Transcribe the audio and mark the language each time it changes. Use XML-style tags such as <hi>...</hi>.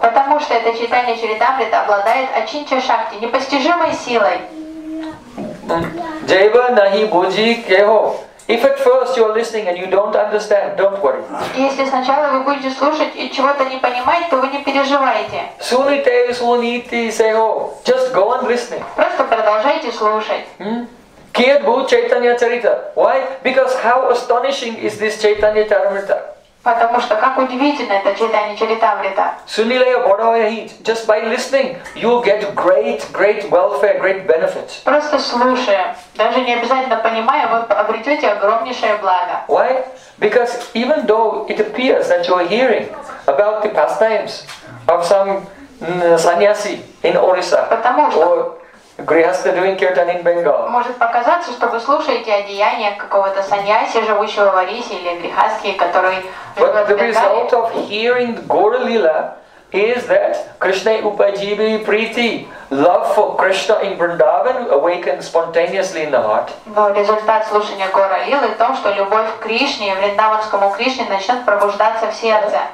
<ru>Потому что это Чайтанья Чаритамрита обладает Achincha Shakti, непостижимой силой.</ru> <bn>Jaiva nahi bhuji keho.</bn> <en>If at first you are listening and you don't understand, don't worry.</en> <ru>Если сначала вы будете слушать и чего-то не понимать, то вы не переживайте.</ru> <bn>Sunite suniti seho.</bn> <en>Just go on listening.</en> <ru>Просто продолжайте слушать.</ru> <bn>Kiyad bhu Chaitanya Charita.</bn> <en>Why? Because how astonishing is this Chaitanya Charitamrita?</en> <ru>Потому что как удивительно это читание Чаритамрита.</ru> <bn>Суни лея бодхая хи,</bn> <en>just by listening, you get great, great welfare, great benefits.</en> <ru>Просто слушая, даже не обязательно понимая, вы обретете огромнейшее благо.</ru> <en>Why? Because even though it appears that you are hearing about the pastimes of some саньяси in Orissa,</en> <ru>потому что</ru> <en>or грехаста doing kirtan in Bengal.</en> <ru>Может показаться, что вы слушаете о деяниях какого-то саньяси, живущего в Орисе, или грехасти, который</ru> <en>But the result of hearing Gaura Lila is that Krishna Upajivi Priti, love for Krishna in Vrindavan, awakens spontaneously in the heart.</en> <ru>Но результат слушания Гора Лилы в том, что любовь к Кришне и Вриндаванскому Кришне начнет пробуждаться в сердце.</ru>